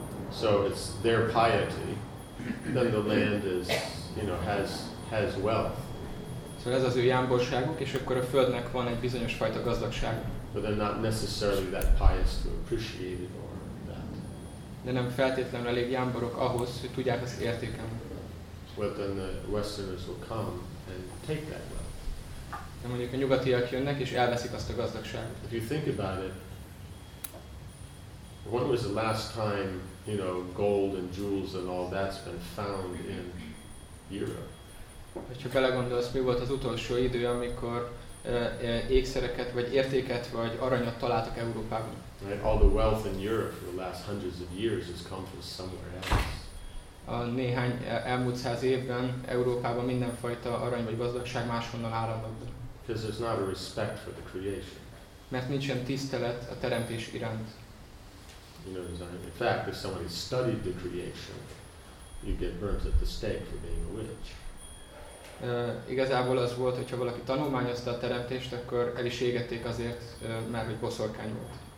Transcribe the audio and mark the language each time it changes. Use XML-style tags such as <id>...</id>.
<en>So it's their piety, then the land is, you know, has wealth.</en> <hu>Szóval ez az ő jámborságuk, és akkor a földnek van egy bizonyos fajta gazdagság.</hu> <en>But they're not necessarily that pious to appreciate it.</en> <hu>De nem feltétlenül elég jámborok ahhoz, hogy tudják ezt értékelni.</hu> <en>Well, then the Westerners will come and take that wealth.</en> <hu>De mondjuk a nyugatiak jönnek és elveszik azt a gazdagságot.</hu> <en>If you think about it, when was the last time, you know, gold and jewels and all that's been found in Europe?</en> <hu>Hogyha belegondolsz, mi volt az utolsó idő, amikor ékszereket vagy értéket vagy aranyat találtak Európában?</hu> <en>Right, all the wealth in Europe for the last hundreds of years has come from somewhere else.</en> <hu>A néhány elmúlt száz évben Európában mindenfajta arany vagy gazdagság máshonnan áramlott.</hu> <en>Because there's not a respect for the creation.</en> <hu>Mert nincsen tisztelet a teremtés iránt.</hu> <en>You know, in fact, if somebody studied the creation, you get burnt at the stake for being a witch.</en> <hu>Igazából az volt, hogyha valaki tanulmányozta a teremtést, akkor el is égették azért, mert hogy boszorkány volt.</hu>